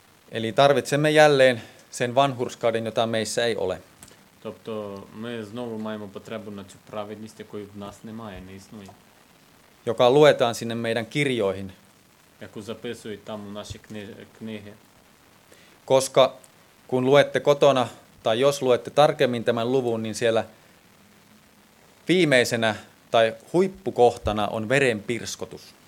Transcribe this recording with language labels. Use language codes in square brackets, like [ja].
[fi] Eli tarvitsemme jälleen sen vanhurskauden, jota meissä ei ole. [uk] Тобто ми знову маємо потребу на цю праведність, якої в нас немає, не існує. [fi] Joka luetaan sinne meidän kirjoihin. [uk] Яку записують там у наші книги. [fi] Koska kun luette kotona, tai jos luette tarkemmin tämän luvun, niin siellä viimeisenä tai huippukohtana on veren pirskotus.